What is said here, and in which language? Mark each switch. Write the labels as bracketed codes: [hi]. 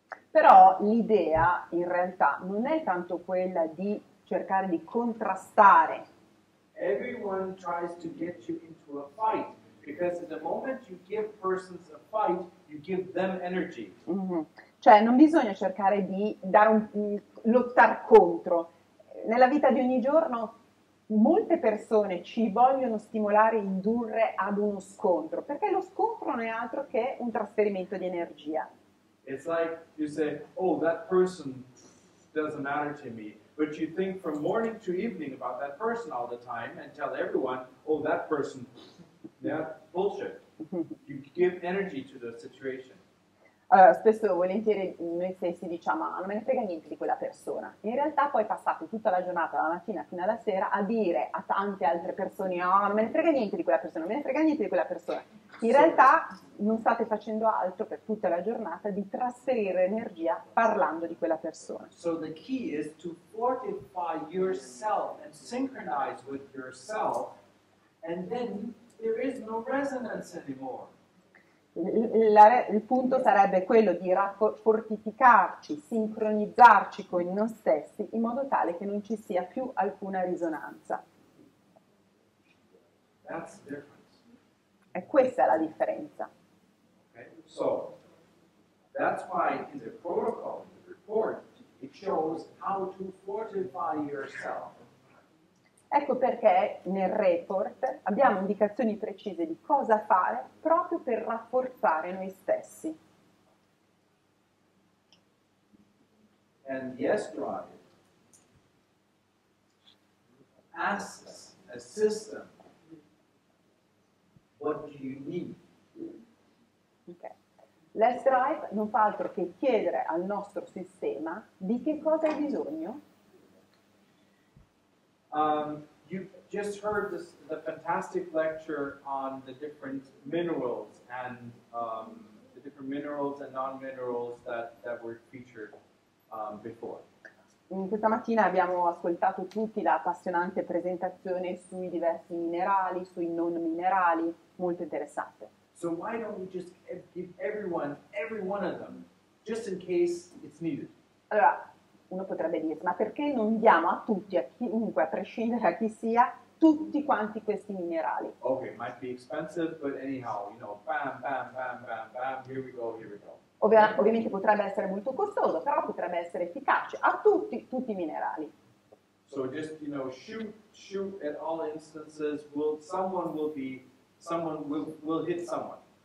[it] Però l'idea in realtà non è tanto quella di cercare di contrastare. [en] Everyone tries to get you into a fight because at the moment you give persons a fight, you give them energy. [it] Cioè non bisogna cercare di dare lottare contro. Nella vita di ogni giorno molte persone ci vogliono stimolare e indurre ad uno scontro, perché lo scontro non è altro che un trasferimento di energia. [en] It's like you say, oh, that person doesn't matter to me, but you think from morning to evening about that person all the time and tell everyone, oh, that person, that's bullshit. You give energy to the situation. [it] Allora, spesso volentieri noi stessi diciamo, ah, non me ne frega niente di quella persona. In realtà poi passate tutta la giornata, dalla mattina fino alla sera, a dire a tante altre persone, ah, oh, non me ne frega niente di quella persona, non me ne frega niente di quella persona. In realtà non state facendo altro per tutta la giornata di trasferire energia parlando di quella persona. [en] So the key is to fortify yourself and synchronize with yourself, and then there is no resonance anymore. [it] Il punto sarebbe quello di fortificarci, sincronizzarci con noi stessi in modo tale che non ci sia più alcuna risonanza. [en] That's the difference. [it] E questa è la differenza. [en] Okay. So, that's why in the protocol, the report, it shows how to fortify yourself. [it] Ecco perché nel report abbiamo indicazioni precise di cosa fare proprio per rafforzare noi stessi. [en] And the S-Drive asks a system, what do you need? Okay. [it] L'S-Drive non fa altro che chiedere al nostro sistema di che cosa hai bisogno. [en] You've just heard the fantastic lecture on the different minerals and the different minerals and non-minerals that were featured before. [it] Questa mattina abbiamo ascoltato tutti la appassionante presentazione sui diversi minerali, sui non minerali, molto interessante. [en] So why don't we just give everyone every one of them, just in case it's needed? [it] Allora, uno potrebbe dirsi, ma perché non diamo a tutti, a chiunque, a prescindere da chi sia, tutti quanti questi minerali. [en] Okay, might be expensive, but anyhow, you know, bam, bam, bam, bam, bam, here we go, here we go. [it] Ovviamente potrebbe essere molto costoso, però potrebbe essere efficace a tutti i minerali. [en] So just, you know, shoot at all instances, someone will hit someone.